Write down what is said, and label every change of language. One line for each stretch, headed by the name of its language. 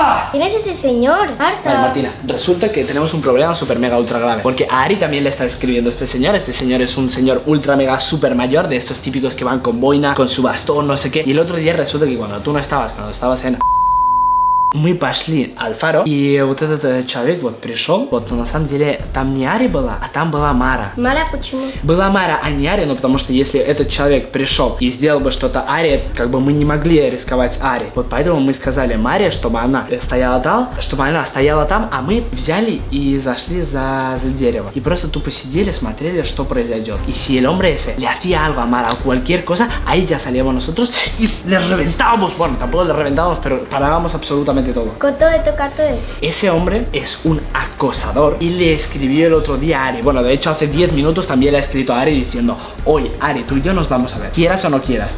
Spanish: ¿Quién es ese señor? Marta. Vale, Martina, resulta que tenemos un problema súper mega ultra grave. Porque a Ari también le está escribiendo este señor. Este señor es un señor ultra mega súper mayor, de estos típicos que van con boina, con su bastón, no sé qué. Y el otro día resulta que cuando tú no estabas, cuando estabas en...
Russian: Muy пошли
Spanish: al faro y
Russian: этот человек вот пришёл. Вот на самом деле там не Ари была, а там была Мара. Мара почему? Была Мара, а не Ари, но потому что если этот человек пришёл и сделал бы что-то Ари, как бы мы не могли рисковать Ари. Вот поэтому мы сказали Маре, чтобы она стояла там, чтобы она стояла там, а мы взяли и зашли за дерево и просто тупо сидели, смотрели, что произойдёт.
Spanish: И si el hombre ese le hacía algo a Мара, cualquier cosa, ahí ya salíamos nosotros y le reventábamos. Bueno, tampoco le reventábamos, pero parábamos absolutamente todo. Con todo de tocar todo. Ese hombre es un acosador y le escribió el otro día a Ari. Bueno, de hecho, hace 10 minutos también le ha escrito a Ari diciendo: hoy, Ari, tú y yo nos vamos a ver, quieras o no quieras.